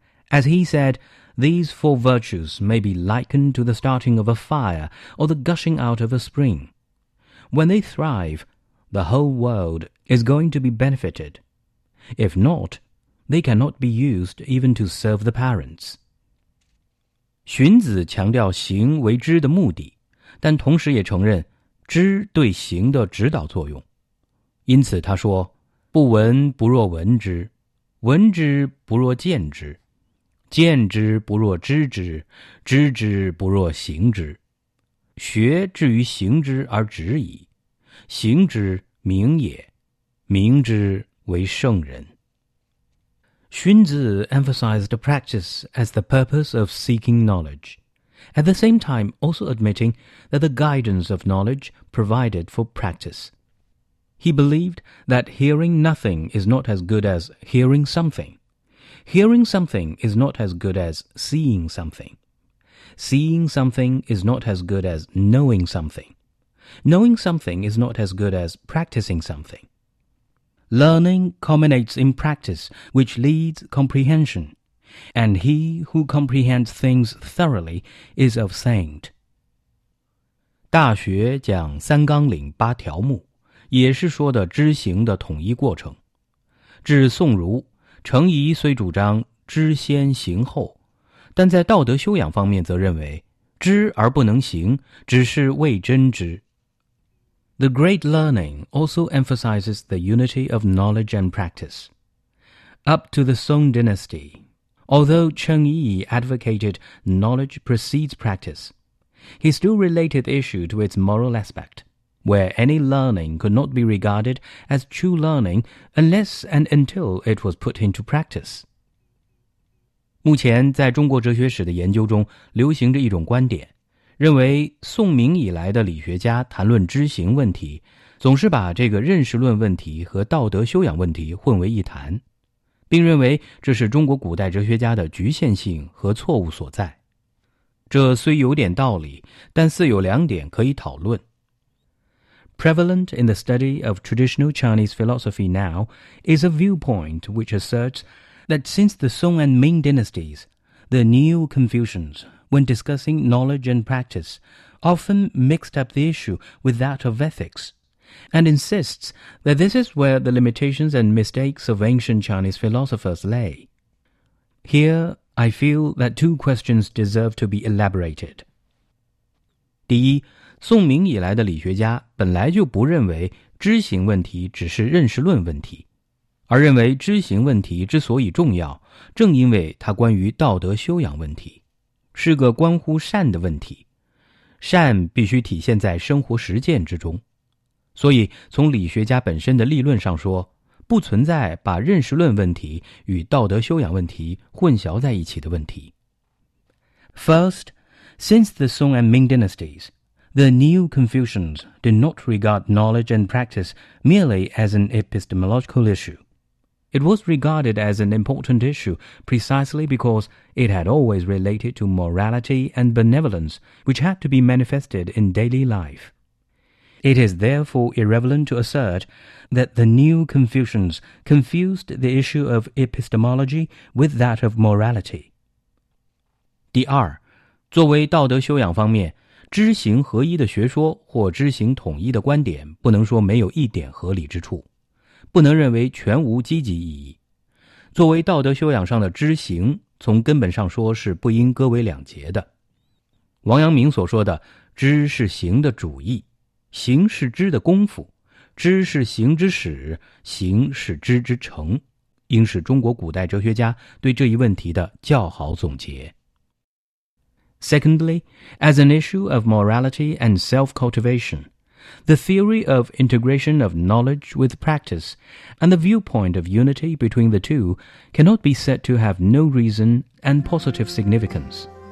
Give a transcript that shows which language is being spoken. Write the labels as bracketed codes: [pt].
[en] As he said, these four virtues may be likened to the starting of a fire or the gushing out of a spring. When they thrive, the whole world is going to be benefited. If not, they cannot be used even to serve the parents. [zh] 荀子强调行为知的目的，但同时也承认知对行的指导作用。因此他说，不闻不若闻之，闻之不若见之，见之不若知之，知之不若行之。学至于行之而止矣，行之明也，明之为圣人。 [en] 荀子emphasized practice as the purpose of seeking knowledge, at the same time also admitting that the guidance of knowledge provided for practice. He believed that hearing nothing is not as good as hearing something. Hearing something is not as good as seeing something. Seeing something is not as good as knowing something. Knowing something is not as good as practicing something. Learning culminates in practice, which leads comprehension, and he who comprehends things thoroughly is of saint. [zh] 大学讲三纲领八条目，也是说的知行的统一过程。至宋儒，程颐虽主张知先行后，但在道德修养方面则认为知而不能行，只是未真知。 [en] The great learning also emphasizes the unity of knowledge and practice. Up to the Song Dynasty, although Cheng Yi advocated knowledge precedes practice, he still related the issue to its moral aspect. where any learning could not be regarded as true learning unless and until it was put into practice. [zh] 目前在中国哲学史的研究中流行着一种观点，认为宋明以来的理学家谈论知行问题，总是把这个认识论问题和道德修养问题混为一谈，并认为这是中国古代哲学家的局限性和错误所在。这虽有点道理，但似有两点可以讨论。 [en] Prevalent in the study of traditional Chinese philosophy now is a viewpoint which asserts that since the Song and Ming dynasties, the new Confucians, when discussing knowledge and practice, often mixed up the issue with that of ethics, and insists that this is where the limitations and mistakes of ancient Chinese philosophers lay. Here, I feel that two questions deserve to be elaborated. [zh] 第一，宋明以来的理学家本来就不认为知行问题只是认识论问题，而认为知行问题之所以重要，正因为它关于道德修养问题，是个关乎善的问题。善必须体现在生活实践之中。所以从理学家本身的立论上说，不存在把认识论问题与道德修养问题混淆在一起的问题。 [en] First, since the Song and Ming dynasties, the new Confucians did not regard knowledge and practice merely as an epistemological issue. It was regarded as an important issue precisely because it had always related to morality and benevolence which had to be manifested in daily life. It is therefore irrelevant to assert that the new Confucians confused the issue of epistemology with that of morality. [zh] 第二，作为道德修养方面，知行合一的学说或知行统一的观点不能说没有一点合理之处，不能认为全无积极意义。作为道德修养上的知行，从根本上说是不应割为两截的。王阳明所说的知是行的主义，行是知的功夫，知是行之始，行是知之成，应是中国古代哲学家对这一问题的较好总结。 [en] Secondly, as an issue of morality and self-cultivation, the theory of integration of knowledge with practice and the viewpoint of unity between the two cannot be said to have no reason and positive significance.